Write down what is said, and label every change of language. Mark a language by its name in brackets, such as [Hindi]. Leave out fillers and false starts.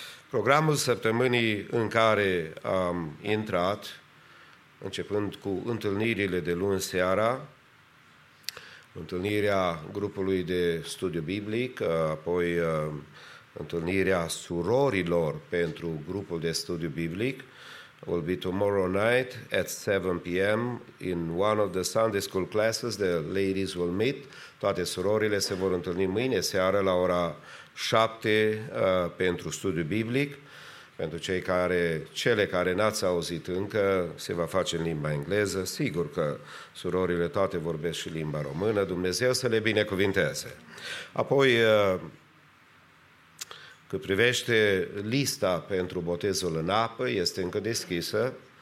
[Romanian] Programul săptămânii în care am intrat, începând cu întâlnirile de luni seara, întâlnirea grupului de studiu biblic, apoi întâlnirea surorilor pentru grupul de studiu biblic, [English] will be tomorrow night at 7 p.m. in one of the Sunday school classes the ladies will meet. [Romanian] Toate surorile se vor întâlni mâine seară la ora 7 pentru studiu biblic. Pentru cele care n-ați auzit încă, se va face în limba engleză. Sigur că surorile toate vorbesc și limba română. Dumnezeu să le binecuvinteze. Apoi, cât privește lista pentru botezul în apă, este încă deschisă.